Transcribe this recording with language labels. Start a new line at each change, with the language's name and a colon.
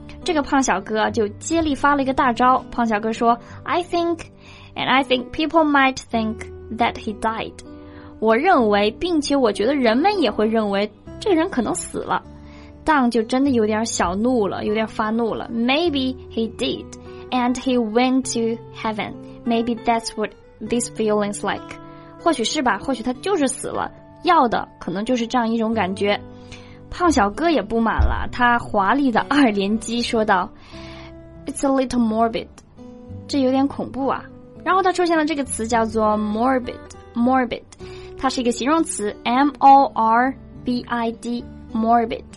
Chinese: 这个胖小哥就接力发了一个大招，胖小哥说
English: I think people might think that he died.
Chinese: 我认为并且我觉得人们也会认为这人可能死了。当就真的有点小怒了，有点发怒了。
English: Maybe he did and he went to heaven. Maybe that's what this feeling's like.
Chinese: 或许是吧，或许他就是死了，要的可能就是这样一种感觉。胖小哥也不满了，他华丽的二连击说道，
English: It's a little morbid.
Chinese: 这有点恐怖啊。然后他出现了这个词叫做 morbid. 它是一个形容词 M-O-R-B-I-D morbid.